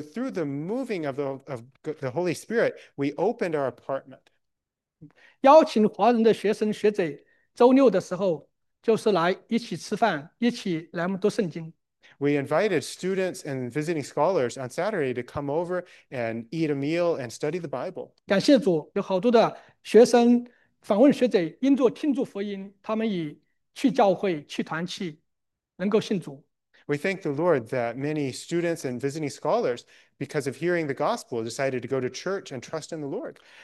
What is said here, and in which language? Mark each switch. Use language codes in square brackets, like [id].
[en] through the moving of the Holy Spirit, we opened our apartment. [zh] 邀请华人的学生学者周六的时候就是来一起吃饭,一起来读圣经。 [en] We invited students and visiting scholars on Saturday to come over and eat a meal and study the Bible. [zh] 感谢主,有好多的学生访问学者,因着听主福音,他们已去教会,去团契,能够信主。 [en] We thank the Lord that many students and visiting scholars, because of hearing the gospel, decided to go to church and trust in the Lord.